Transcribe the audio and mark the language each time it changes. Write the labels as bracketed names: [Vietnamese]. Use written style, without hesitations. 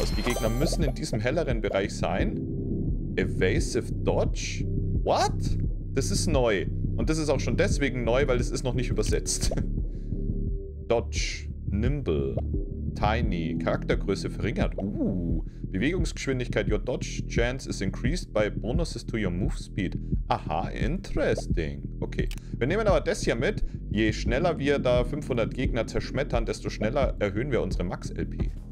[German] Also die Gegner müssen in diesem helleren Bereich sein. Evasive Dodge? [English] What? [German] Das ist neu. Und das ist auch schon deswegen neu, weil es ist noch nicht übersetzt. Dodge. Nimble. Tiny. Charaktergröße verringert. Bewegungsgeschwindigkeit. [English] Your dodge chance is increased by bonuses to your move speed. Aha, interesting. Okay. [German] Wir nehmen aber das hier mit. Je schneller wir da 500 Gegner zerschmettern, desto schneller erhöhen wir unsere Max-LP.